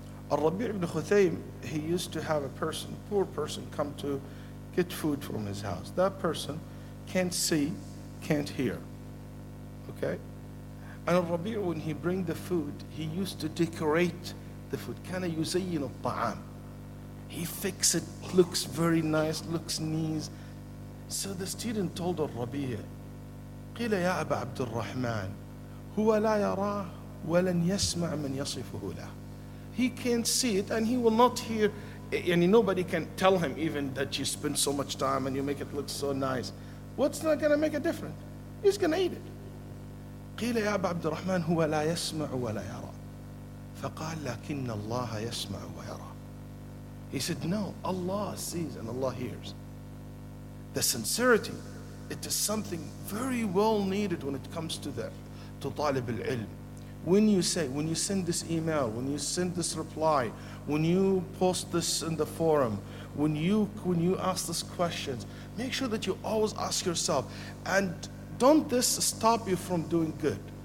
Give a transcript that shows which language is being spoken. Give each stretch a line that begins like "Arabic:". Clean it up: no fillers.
English: Al-Rabi' ibn Khuthaym, he used to have a person, poor person, come to get food from his house. That person can't see, can't hear. Okay? And Al-Rabi' when he bring the food, he used to decorate the food.
Arabic: Kana yuzayyin al-ta'am.
English: He fix it, looks very nice, looks nice. So the student told Al-Rabi'
Arabic: قِلَ يَا أَبَا عَبْدُ الرَّحْمَانِ هُوَ لَا يَرَاهُ وَلَنْ يَسْمَعْ مَنْ يَصِفُهُ لَهُ.
English: He can't see it and he will not hear. And nobody can tell him even that you spend so much time and you make it look so nice. What's not going to make a difference? He's going to eat it.
Arabic: قيل يا أبا عبد الرحمن هو لا يسمع ولا يرى فقال لكن الله يسمع ويرى.
English: He said, no, Allah sees and Allah hears. The sincerity, it is something very well needed when it comes to that, to طالب العلم. When you say, when you send this email, when you send this reply, when you post this in the forum, when you ask these questions, make sure that you always ask yourself, and don't this stop you from doing good?